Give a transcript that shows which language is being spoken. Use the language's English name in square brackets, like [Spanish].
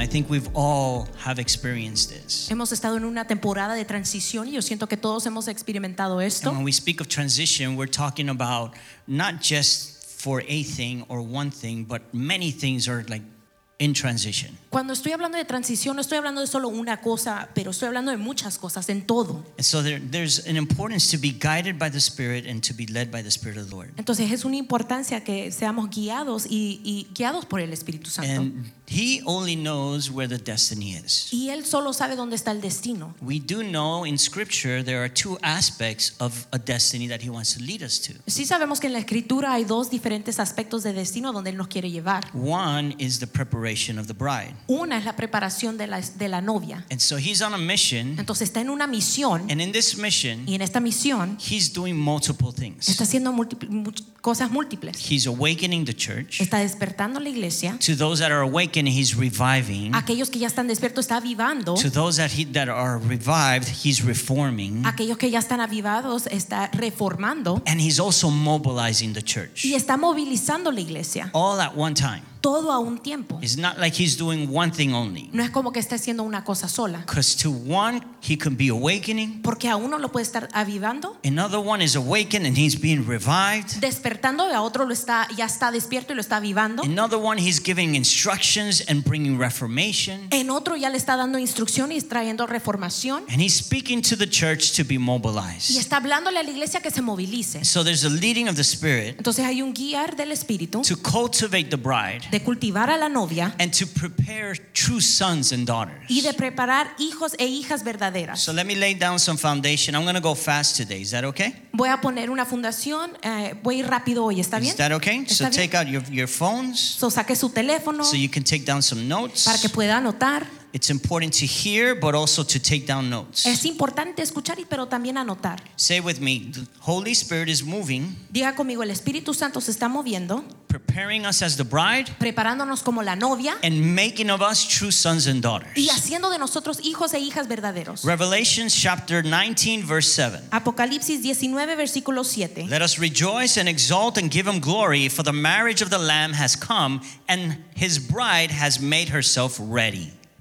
[English] I think we've all have experienced this. [Spanish] Hemos estado en una temporada de transición y yo siento que todos hemos experimentado esto. [English] And when we speak of transition, we're talking about not just for a thing or one thing, but many things are like in transition. [Spanish] Cuando estoy hablando de transición, no estoy hablando de solo una cosa, pero estoy hablando de muchas cosas, en todo. [English] And so there's an importance to be guided by the Spirit and to be led by the Spirit of the Lord. [Spanish] Entonces es una importancia que seamos guiados y guiados por el Espíritu Santo. [English] And He only knows where the destiny is. [Spanish] Y Él solo sabe dónde está el destino. [English] We do know in Scripture there are two aspects of a destiny that He wants to lead us to. [Spanish] Sí sabemos que en la Escritura hay dos diferentes aspectos de destino donde Él nos quiere llevar. [English] One is the preparation of the bride. [Spanish] Una es la preparación de la novia. [English] And so he's on a mission. [Spanish] Entonces está en una misión. [English] And in this mission, [Spanish] y en esta misión, [English] he's doing multiple things. [Spanish] Está haciendo cosas múltiples. [English] He's awakening the church. [Spanish] Está despertando la iglesia. [English] To those that are awakened, he's reviving. [Spanish] Aquellos que ya están despiertos, está avivando. [English] To those that are revived, he's reforming. [Spanish] Aquellos que ya están avivados, está reformando. [English] And he's also mobilizing the church. [Spanish] Y está movilizando la iglesia. [English] All at one time. [Spanish] Todo a un tiempo. [English] It's not like he's doing one thing only. [Spanish] No es como que está haciendo una cosa sola. [English] Because to one he can be awakening. [Spanish] Porque a uno lo puede estar avivando. [English] Another one is awakened and he's being revived. [Spanish] Despertando y a otro lo está ya está despierto y lo está avivando. [English] Another one he's giving instructions and bringing reformation. [Spanish] En otro ya le está dando instrucciones y trayendo reformación. [English] And he's speaking to the church to be mobilized. [Spanish] Y está hablándole a la iglesia que se movilice. [English] So there's a leading of the Spirit. [Spanish] Entonces hay un guiar del Espíritu. [English] To cultivate the bride. [Spanish] De cultivar a la novia, [English] and to prepare true sons and daughters. [Spanish] Y de preparar hijos e hijas verdaderas. [English] So let me lay down some foundation. I'm going to go fast today. Is that okay? [Spanish] Voy a poner una fundación. Voy rápido hoy. ¿Está bien? [English] Is that okay? So take out your phones. [Spanish] So saque su teléfono. [English] So you can take down some notes. [Spanish] Para que pueda anotar. [English] It's important to hear, but also to take down notes. [Spanish] Es importante escuchar, pero también anotar. [English] Say with me, the Holy Spirit is moving. [Spanish] Diga conmigo, el Espíritu Santo se está moviendo. [English] Preparing us as the bride. [Spanish] Preparándonos como la novia. [English] And making of us true sons and daughters. [Spanish] Y haciendo de nosotros hijos e hijas verdaderos. [English] Revelation chapter 19, verse 7. [Spanish] Apocalipsis 19, versículo 7. [English] Let us rejoice and exalt and give him glory, for the marriage of the Lamb has come, and his bride has made herself ready.